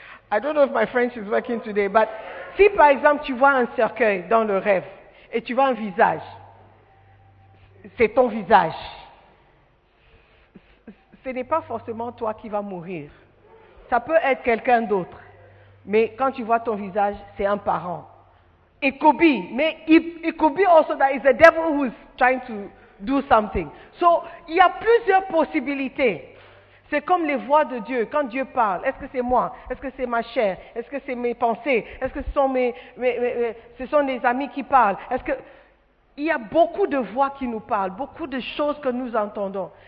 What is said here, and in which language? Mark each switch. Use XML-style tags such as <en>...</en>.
<en>I don't know if my French is working today,</en> <fr>but si par exemple tu vois un cercueil dans le rêve et tu vois un visage, c'est ton visage. Ce n'est pas forcément toi qui vas mourir. Ça peut être quelqu'un d'autre. Mais quand tu vois ton visage, c'est un parent.</fr> <en>It could be,</en> <fr>mais</fr> <en>it could be also that it's the devil who's trying to do something.</en> <fr>So, il y a plusieurs possibilités. C'est comme les voix de Dieu. Quand Dieu parle, est-ce que c'est moi? Est-ce que c'est ma chair? Est-ce que c'est mes pensées? Est-ce que ce sont les amis qui parlent? Est-ce que il y a beaucoup de voix qui nous parlent, beaucoup de choses que nous entendons.</fr>